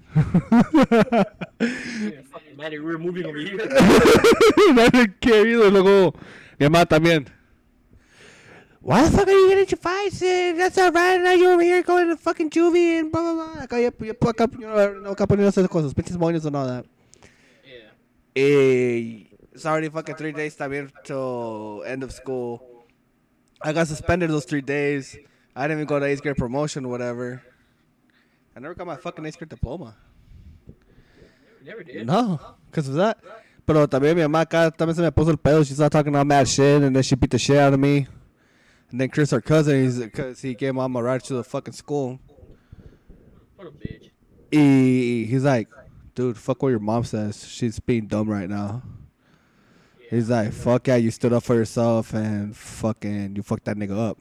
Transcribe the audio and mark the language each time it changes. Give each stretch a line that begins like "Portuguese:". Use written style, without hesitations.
English: Fucking Maddie, we were moving over here. I didn't care either.
Spanish: Luego, mi mamá también.
English: Why the fuck are you getting into fights? That's not right. Now you're over here going to fucking juvie and blah, blah, blah. Like, you put a couple, you know, a couple of those cosas, bitches, moños and all that. Yeah. Sorry, fucking 3 days también to end of school. I got suspended those 3 days. I didn't even go to 8th grade promotion or whatever. I never got my fucking 8th grade diploma. You never did? No, because of that.
Spanish: Pero también mi mamá acá también se me puso el pedo.
English: She started talking all mad shit and then she beat the shit out of me. And then Chris, our cousin, because he gave mom a ride to the fucking school. What a bitch. He's like, dude, fuck what your mom says. She's being dumb right now. He's like, fuck yeah, you stood up for yourself and fucking you fucked that nigga up.